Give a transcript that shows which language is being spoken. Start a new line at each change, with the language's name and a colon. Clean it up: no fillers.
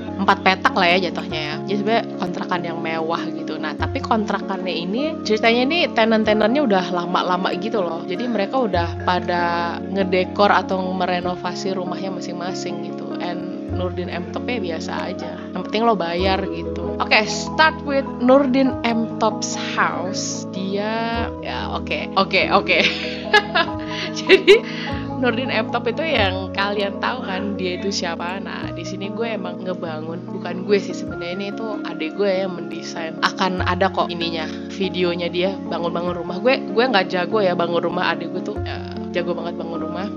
Indonesian: 4 petak lah ya jatuhnya ya. Jadi sebenarnya kontrakan yang mewah gitu. Nah, tapi kontrakannya ini ceritanya ini tenant-tenantnya udah lama-lama gitu loh. Jadi mereka udah pada ngedekor atau merenovasi rumahnya masing-masing gitu. And Nurdin M top ya biasa aja. Yang penting lo bayar gitu.
English: Oke, okay, start with Nurdin M top's house.
Indonesian: Dia ya oke. Jadi Nurdin M top itu yang kalian tahu kan dia itu siapa. Nah, di sini gue emang ngebangun, bukan gue sih sebenarnya, ini tuh adik gue yang mendesain. Akan ada kok ininya, videonya dia bangun-bangun rumah. Gue enggak jago ya bangun rumah, adik gue tuh jago banget bangun rumah.